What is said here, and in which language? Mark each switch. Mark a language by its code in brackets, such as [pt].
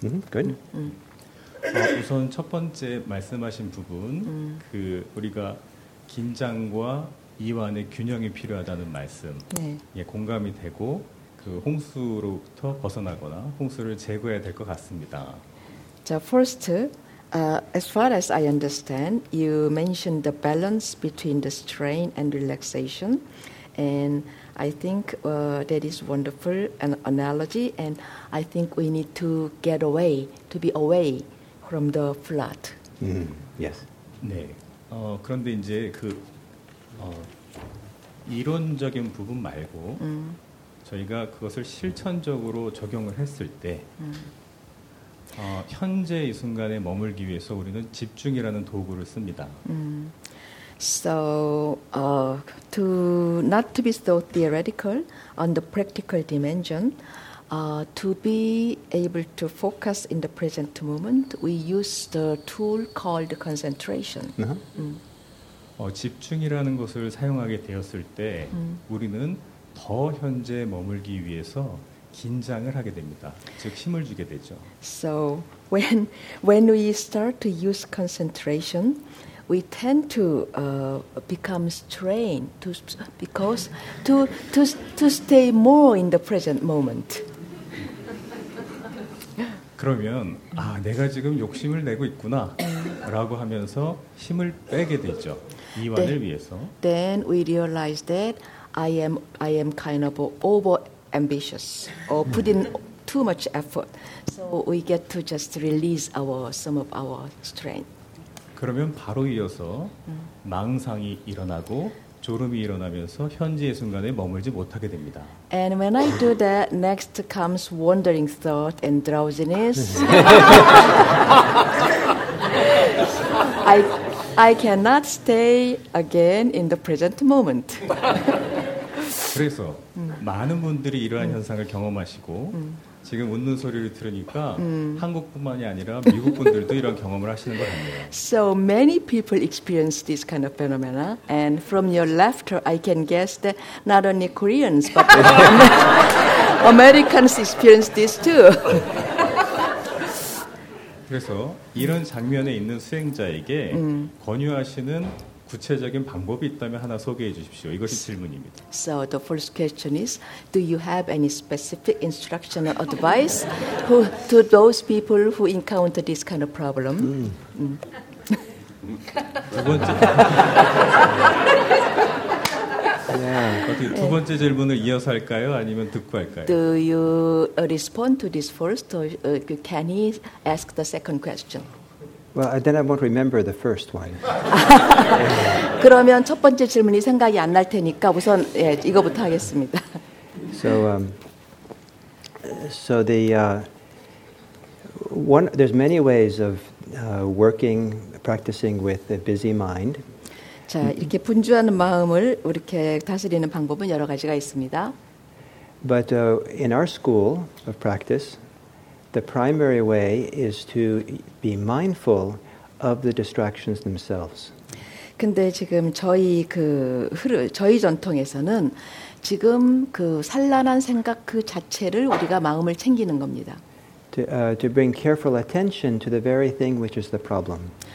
[en] Good. [ko] 우선 첫 번째 말씀하신 부분, 그 우리가 긴장과 이완의 균형이 필요하다는 말씀, 네. 예, 공감이 되고 그 홍수로부터 벗어나거나 홍수를 제거해야 될 것 같습니다. [en] So first, as far as I understand, you mentioned the balance between the strain and relaxation, and I think that is wonderful an analogy, and I think we need to get away, to be away. From the flood. Yes. [ko] 네. 그런데 이제 그 이론적인 부분 말고 저희가 그것을 실천적으로 적용을 했을 때 현재 이 순간에 머물기 위해서 우리는 집중이라는 도구를 씁니다. [en] So to not to be so theoretical on the practical dimension. To be able to focus in the present moment, we use the tool called concentration. Uh-huh. [ko] 집중이라는 것을 사용하게 되었을 때 우리는 더 현재에 머물기 위해서 긴장을 하게 됩니다. 즉 힘을 주게 되죠. [en] So when we start to use concentration, we tend to become strained to because to stay more in the present moment. [ko] 그러면 내가 지금 욕심을 내고 있구나라고 하면서 힘을 빼게 되죠. 이완을 위해서. [en] Then we realize that I am kind of over ambitious or put in too much effort. So we get to just release some of our strength. [ko] 그러면 바로 이어서 망상이 일어나고 졸음이 일어나면서 현재의 순간에 머물지 못하게 됩니다. [en] And when I do that, next comes wandering thought and drowsiness. I cannot stay again in the present moment. [ko] 그래서 많은 분들이 이러한 현상을 경험하시고 지금 웃는 소리를 들으니까 한국뿐만이 아니라 미국 분들도 이런 경험을 하시는 것 같네요. [en] So many people experience this kind of phenomena, and from your laughter, I can guess that not only Koreans but Americans experience this too. [ko] 그래서 이런 장면에 있는 수행자에게 권유하시는 구체적인 방법이 있다면 하나 소개해 주십시오. 이것이 질문입니다. [en] So the first question is, do you have any specific instruction or advice who, to those people who encounter this kind of problem? [ko] 두 번째. 두 번째 질문을 이어서 할까요? 아니면 듣고 할까요? [en] Do you respond to this first, or can he ask the second question? Well, then I won't remember the first one. [ko] 그러면 첫 번째 질문이 생각이 안 날 테니까 우선 이거부터 하겠습니다. [en] So, there's many ways of working, practicing with a busy mind. [ko] 자, 이렇게 분주하는 마음을 이렇게 다스리는 방법은 여러 가지가 있습니다. [en] But in our school of practice, the primary way is to be mindful of the distractions themselves. [ko] 근데 지금 저희 그 흐름, 저희 전통에서는 지금 그 산란한 생각 그 자체를 우리가 마음을 챙기는 겁니다. [en] To bring careful attention to the very thing which is the problem.